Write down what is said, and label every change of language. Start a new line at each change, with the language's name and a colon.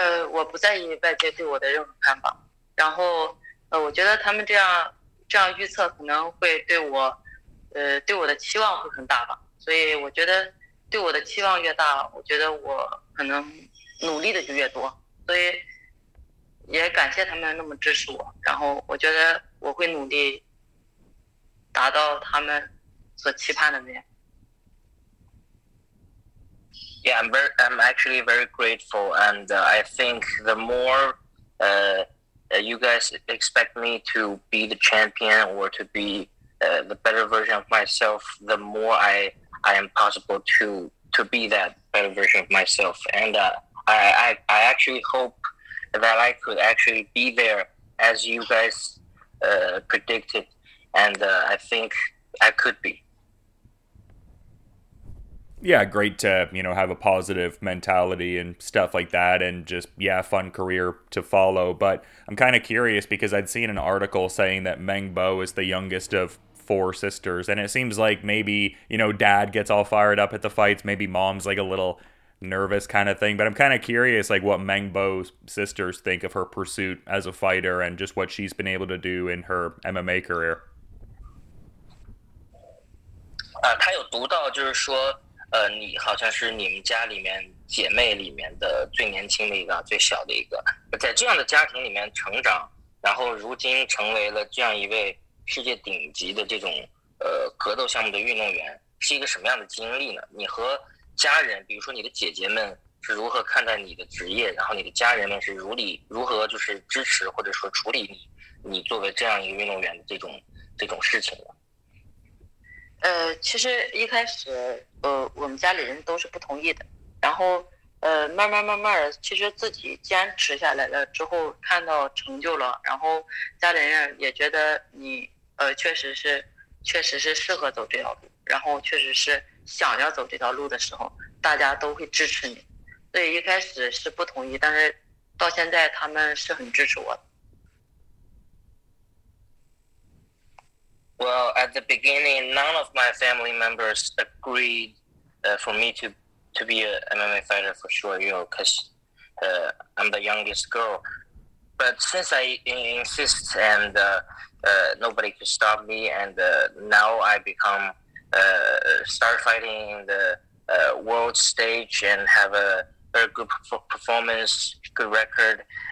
English: 我不在意外界对我的任何看法，然后我觉得他们这样预测可能会对我对我的期望会很大吧，所以我觉得对我的期望越大，我觉得我可能努力的就越多，所以也感谢他们那么支持我，然后我觉得我会努力达到他们所期盼的那样。 Yeah, I'm actually very grateful, and I think the more you guys expect me to be the champion or to be the better version of myself, the more I am possible to be that better version of myself, and I actually hope that I could actually be there as you guys predicted, and I think I could be. Yeah, great to, you know, have a positive mentality and stuff like that, and just, yeah, fun career to follow. But I'm kind of curious, because I'd seen an article saying that Meng Bo is the youngest of four sisters, and it seems like maybe, you know, dad gets all fired up at the fights, maybe mom's like a little nervous kind of thing, but I'm kind of curious like what Meng Bo's sisters think of her pursuit as a fighter and just what she's been able to do in her MMA career.
Chinese: 他有读到就是说你好像是你们家里面姐妹里面的最年轻的一个，最小的一个，在这样的家庭里面成长，然后如今成为了这样一位世界顶级的这种格斗项目的运动员，是一个什么样的经历呢？你和家人，比如说你的姐姐们是如何看待你的职业，然后你的家人们是如何就是支持或者说处理你作为这样一个运动员的这种事情的？其实一开始我们家里人都是不同意的，然后慢慢其实自己坚持下来了之后，看到成就了，然后家里人也觉得你确实是适合走这条路，然后确实是想要走这条路的时候，大家都会支持你，所以一开始是不同意，但是到现在他们是很支持我的。
English: Well, at the beginning, none of my family members agreed for me to be an MMA fighter for sure, you know, because I'm the youngest girl. But since I insist and nobody could stop me, and now I become start fighting in the world stage and have a very good performance, good record.